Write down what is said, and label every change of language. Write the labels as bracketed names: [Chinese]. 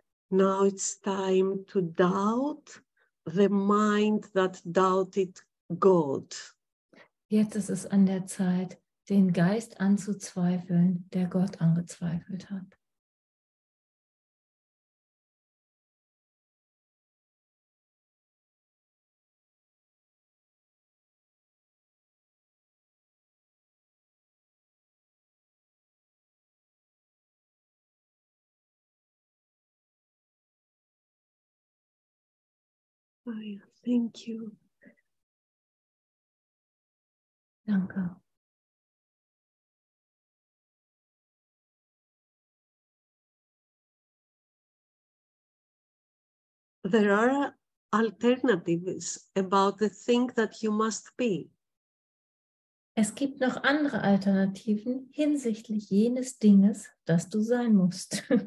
[English] Now it's time to doubt the mind that doubted God. [German] Jetzt ist es an der Zeit, den Geist anzuzweifeln, der Gott angezweifelt hat. [English] Thank you. [German] Danke. [English] There are alternatives about the thing that you must be. [German] Es gibt noch andere Alternativen hinsichtlich jenes Dinges, das du sein musst.